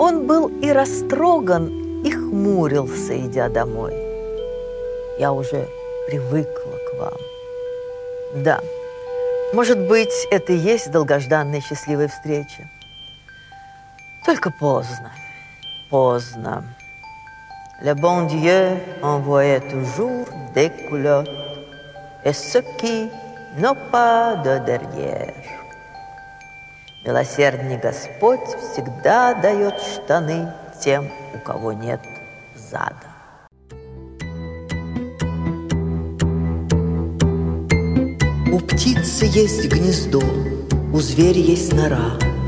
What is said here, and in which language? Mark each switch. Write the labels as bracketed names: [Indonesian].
[Russian] Он был и растроган, и хмурился, идя домой. «Я уже привыкла к вам». «Да, может быть, это и есть долгожданная счастливая встреча. Только поздно, поздно. [French] Le bon Dieu envoie toujours des culottes, et ce qui n'a pas de derrière. [Russian] Милосердный Господь всегда дает штаны тем, у кого нет зада». У птицы есть гнездо, у зверя есть нора.